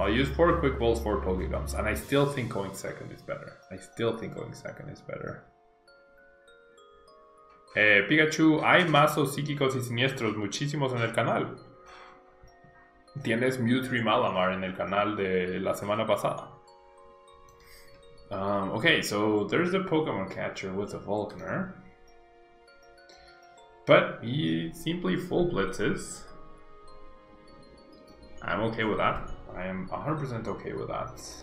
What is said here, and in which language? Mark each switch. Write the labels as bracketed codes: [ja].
[en] I'll use 4 Quick Balls, 4 Pokégums, and I still think going second is better. I still think going second is better. [es] Pikachu, hay mazos psíquicos y siniestros muchísimos en el canal. Tienes Mewtwo Malamar en el canal de la semana pasada. [en] Okay, so there's the Pokemon catcher with the Volcanion. But he simply full blitzes. I'm okay with that. I am 100% okay with that.